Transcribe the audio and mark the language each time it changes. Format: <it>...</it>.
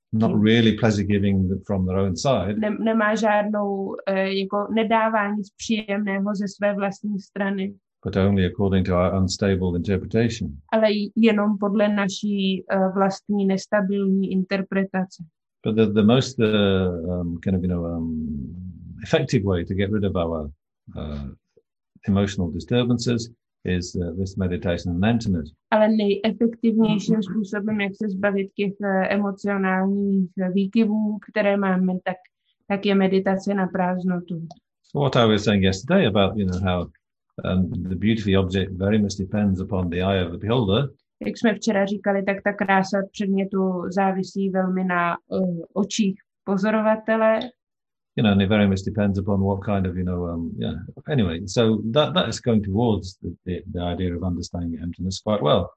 <en>Not really pleasure giving from their own side.</en> <cs>Nemá žádnou, jako nedává nic příjemného ze své vlastní strany.</cs> <en>But only according to our unstable interpretation.</en> <cs>Ale jenom podle naší vlastní nestabilní interpretace.</cs> <en>But the most kind of, you know, effective way to get rid of our emotional disturbances is this meditation and emptiness.</en> <cs>Ale nejefektivnějším způsobem, jak se zbavit těch emocionálních výkyvů, které máme, tak je meditace na prázdnotu.</cs> <en>So what I was saying yesterday about, you know, how the beauty of the object very much depends upon the eye of the beholder.</en> <cs>Jak jsme včera říkali, tak ta krása předmětu závisí velmi na očích pozorovatele.</cs> <en>You know, and it very much depends upon what kind of, you know, yeah. Anyway, so that is going towards the idea of understanding emptiness quite well.</en>